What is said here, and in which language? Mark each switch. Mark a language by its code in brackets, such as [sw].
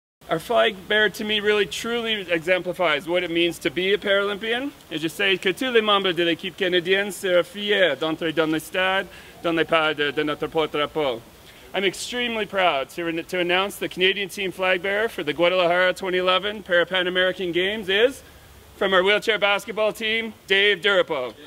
[en] Our flag bearer to me really truly exemplifies what it means to be a Paralympian. [fr] Et je sais que tous les membres de l'équipe canadienne seront fiers d'entrer dans le stade, dans les pas de notre porte-drapeau. [en] I'm extremely proud to announce the Canadian team flag bearer for the Guadalajara 2011 Parapan American Games is, from our wheelchair basketball team, Dave Durepos.